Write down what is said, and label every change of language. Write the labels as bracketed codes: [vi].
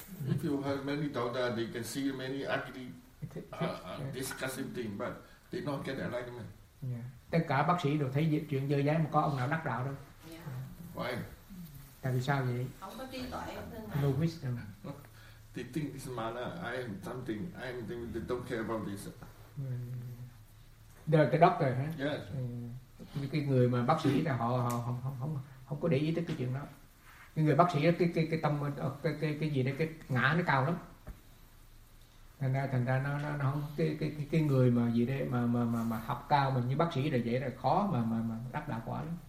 [en] If you have many daughters, they can see many ugly, disgusting things, but they don't get enlightenment. Yeah. [vi] Tất cả bác sĩ đều thấy chuyện dơ dáng mà có ông nào đắc đạo đâu. [en] Why? [vi] Tại vì sao vậy? Không có trí tuệ. [en] No wisdom. they think this manner, I am something, I am something, they don't care about this. The doctor, huh? Yes. [vi] Những cái người mà bác sĩ là họ không có để ý tới cái chuyện đó. Những người bác sĩ cái tâm cái gì đấy, cái ngã nó cao lắm. Thành ra nó không cái người mà gì đấy mà học cao mà như bác sĩ là dễ là khó mà đắc đạo quả lắm.